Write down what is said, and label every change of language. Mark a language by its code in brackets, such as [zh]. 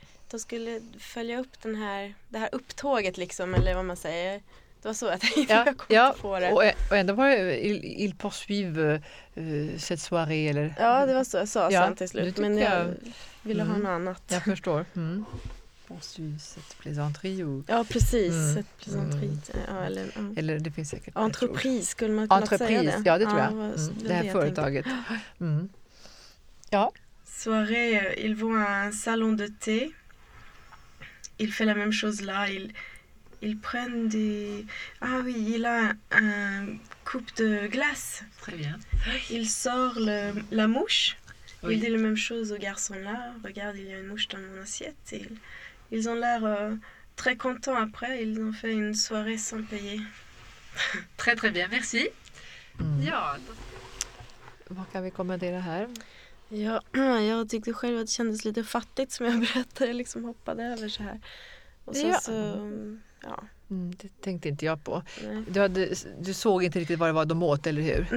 [sv] De skulle följa upp det här upptåget liksom, eller vad man säger. Det var så att jag kom på det. Och ändå var det [fr] il poursuivre cette soirée, [sv] eller? Ja, det var så jag sa sen till slut, men jag ville ha något annat. Jag förstår. Mm. [fr] Poursuivre cette plaisanterie. Ou... [sv] Ja, precis. Mm. [fr] Cette plaisanterie. [sv] Ja, eller, Eller det finns säkert... Entreprise, skulle man kunna [fr] entreprise. [sv] Säga det. Ja, det tror jag. Mm. Det här företaget. Mm. Ja. [fr] Soirée, ils vont à un salon de thé. Il fait la même chose là. Il prend des... Ah oui, il a un coupe de glace. Très bien. Il sort la mouche. Oui. Il dit la même chose au garçon là. Regarde, il y a une mouche dans mon assiette. Et ils ont l'air très contents après. Ils ont fait une soirée sans payer. Très, très bien. Merci. Ja. [sv] Vad kan vi kommentera här? Ja, jag tyckte själv att det kändes lite fattigt som jag berättade, liksom hoppade över så här. Och sen så, ja. Mm, det tänkte inte jag på. Nej. Du såg inte riktigt vad det var de åt, eller hur?